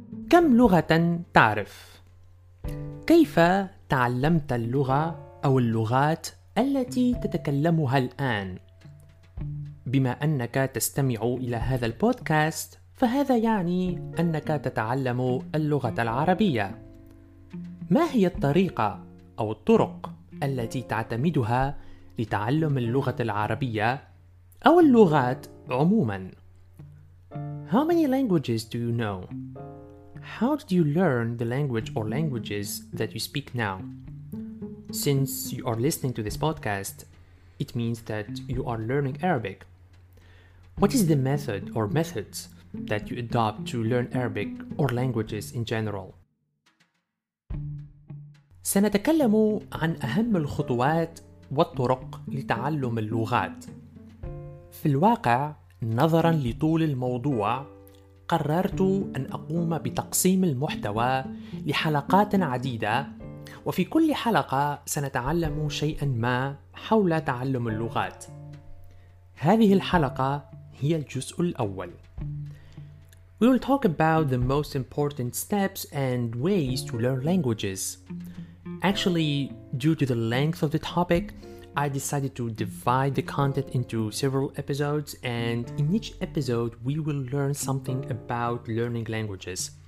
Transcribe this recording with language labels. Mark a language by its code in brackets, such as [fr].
[ar] كم لغة تعرف؟ كيف تعلمت اللغة أو اللغات التي تتكلمها الآن؟ بما أنك تستمع إلى هذا البودكاست، فهذا يعني أنك تتعلم اللغة العربية. ما هي الطريقة أو الطرق التي تعتمدها لتعلم اللغة العربية أو اللغات عموماً؟ [en] How many languages do you know? How did you learn the language or languages that you speak now? Since you are listening to this podcast, it means that you are learning Arabic. What is the method or methods that you adopt to learn Arabic or languages in general? [ar] سنتكلم عن أهم الخطوات والطرق لتعلم اللغات. في الواقع، نظراً لطول الموضوع، قررت أن أقوم بتقسيم المحتوى لحلقات عديدة، وفي كل حلقة سنتعلم شيئاً ما حول تعلم اللغات. هذه الحلقة هي الجزء الأول. [en] We will talk about the most important steps and ways to learn languages. Actually, due to the length of the topic, I decided to divide the content into several episodes, and in each episode we will learn something about learning languages.